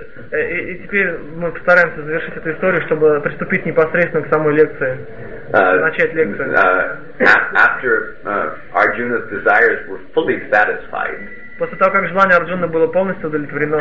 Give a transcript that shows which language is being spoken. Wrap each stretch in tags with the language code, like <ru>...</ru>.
<ru>И теперь мы постараемся завершить эту историю, чтобы приступить непосредственно к самой лекции, начать лекцию.</ru> <en>After Arjuna's desires were fully satisfied.</en> <ru>После того, как желание Арджуны было полностью удовлетворено.</ru>